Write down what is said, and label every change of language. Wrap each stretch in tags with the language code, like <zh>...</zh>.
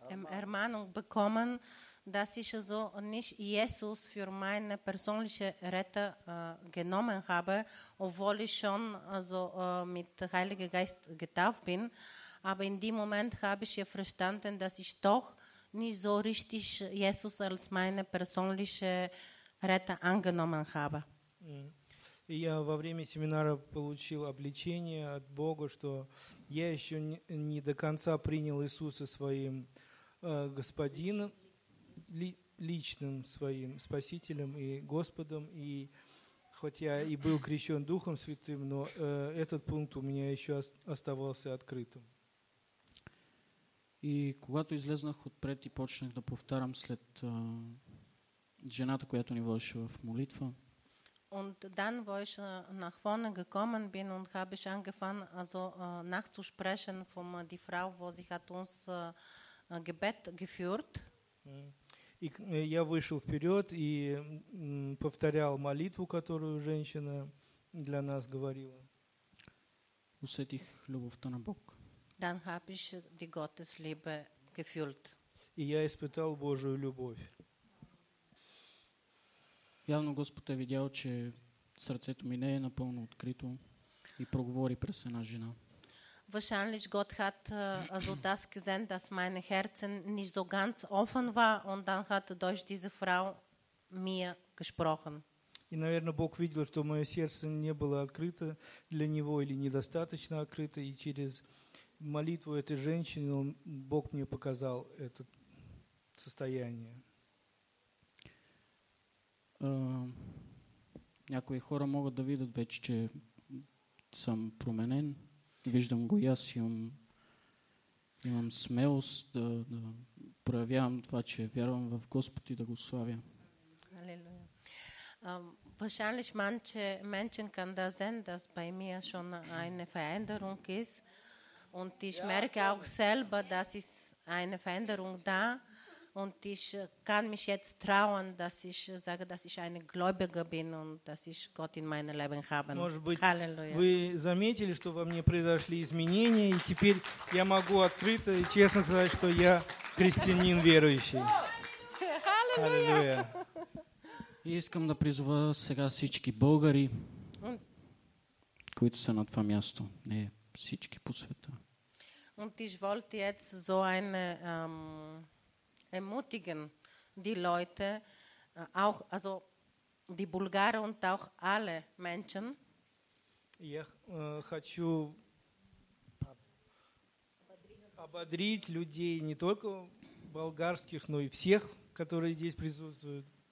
<de>Ermahnung bekommen, dass ich so nicht Jesus für meine persönliche Rette genommen habe, obwohl ich schon mit Heiliger Geist getauft bin. Aber in dem Moment habe ich verstanden, dass ich doch nicht so richtig Jesus als meine persönliche Rette angenommen habe.</de> <ru>Я во время семинара получил обличение от Бога, что я еще не до конца принял Иисуса своим господином, личным своим спасителем и Господом. И хоть я и был крещен Духом Святым, но этот пункт у меня еще оставался открытым.</ru> <bg>И когато излезнах отпред и почнах да повтарям след жената, която ни водеше в молитва.</bg> <de>Und dann, wo ich nach vorne gekommen bin und habe ich angefangen, also nachzusprechen von die Frau, wo sie hat uns Gebet geführt.</de> <ru>И я вышел вперед и повторял молитву, которую женщина для нас говорила.</ru> <bg>Усетих любовта на Бог.</bg> <de>Dann habe ich die Gottesliebe gefühlt.</de> <ru>И я испытал Божию любовь.</ru> <bg>Явно Господ е видял, че сърцето ми не е напълно открито и проговори през една жена.</bg> <de>Wahrscheinlich Gott hat also das gesehen, dass mein Herzen nicht so ganz offen war und dann hat durch diese Frau mir gesprochen.</de> <ru>И, наверное, Бог видел, что мое сердце не было открыто для него или недостаточно открыто, и через молитву этой женщины Бог мне показал это состояние.</ru> <bg>Някои хора могат да видят вече, че съм променен. Виждам го и аз имам смелост да проявявам това, че вярвам в Господ и да го славя. Алелуя.</bg> <de>Wahrscheinlich manche Menschen kann da sehen, dass bei mir schon eine Veränderung ist. Und ich merke auch selber, dass ist eine Veränderung da. Und ich kann mich jetzt trauen, dass ich sage, dass ich eine Gläubige bin und dass ich Gott in meinem Leben habe. Halleluja.</de> <ru>Вы заметили, что во мне произошли изменения, и теперь я могу открыто и честно сказать, что я христианин верующий.</ru> <de>Halleluja.</de> <bg>И искам да призова сега всички българи, които са на това място, не всички по света.</bg> <de>Und ich wollte jetzt so eine ermutigen die Leute, auch also die Bulgaren und auch alle Menschen.</de> <ru>Я хочу ободрить людей не только болгарских, но и всех, которые здесь присутствуют.</ru>